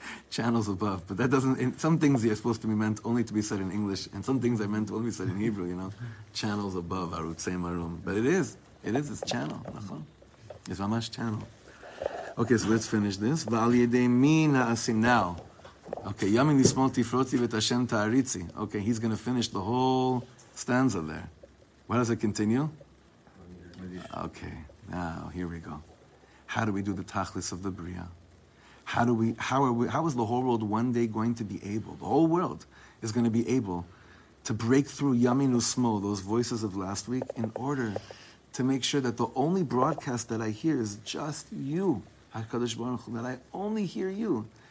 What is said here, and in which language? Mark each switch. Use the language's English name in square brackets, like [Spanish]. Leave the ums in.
[English] Channels above, but that doesn't. In, some things are supposed to be meant only to be said in English, and some things are meant to only be said in Hebrew. You know, channels above, Arutzei Marom. But it is, it is, it's channel. נכון? It's mamash channel. Okay, so let's finish this. [Hebrew] ועל ידי מי נעשים [English] now? Okay, [Hebrew] ימין לשמאל תפרוטי ואת השם תעריצי. [English] Okay, he's going to finish the whole stanza there. Why does it continue? Okay, now here we go. How do we do the tachlis of the bria? How do we? How are we? How is the whole world one day going to be able? The whole world is going to be able to break through [Hebrew] yamin usmo, [English] those voices of last week, in order to make sure that the only broadcast that I hear is just you, Hakadosh Baruch Hu, that I only hear you.